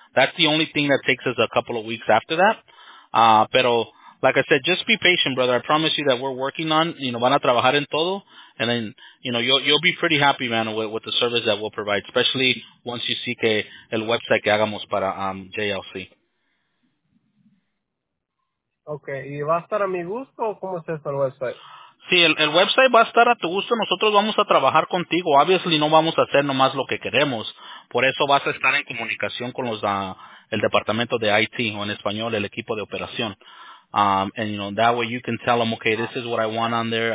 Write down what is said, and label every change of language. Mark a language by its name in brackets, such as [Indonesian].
[English] That's the only thing that takes us a couple of weeks after that. Pero, like I said, just be patient, brother. I promise you that we're working on, you know, van a trabajar en todo. And then, you know, you'll be pretty happy, man, with the service that we'll provide, especially once you see que el website que hagamos para JLC. [Spanish] Okay, ¿y va a estar a mi gusto o cómo es esto el website? Sí, el website va a estar a tu gusto. Nosotros vamos a trabajar contigo. Obviously, no vamos a hacer nomás lo que queremos. Por eso vas a estar en comunicación con los el departamento de IT, o en español, el equipo de operación. [English] And, you know, that way you can tell them, okay, this is what I want on there.